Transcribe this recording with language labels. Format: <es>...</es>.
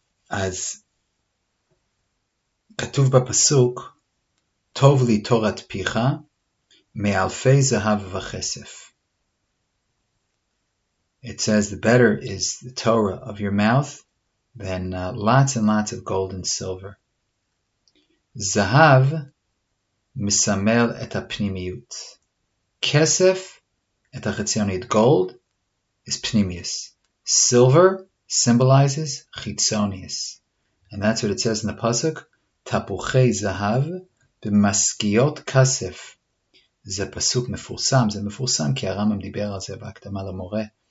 <he>אז כתוב בפסוק, טוב לי תורת פיך מאלפי זהב וכסף.</he> <en>It says the better is the Torah of your mouth than lots and lots of gold and silver.</en> <he>זהב מסמל את הפנימיות. כסף, את החציונית.</he> <en>Gold is</en> <he>פנימיוס.</he> <en>Silver symbolizes חיצוניוס. And that's what it says in the פסוק,</en> <he>תפוחי זהב במסקיות כסף. זה פסוק מפורסם, זה מפורסם כי הרמם דיבר על זה בהקדמה למורה.</he>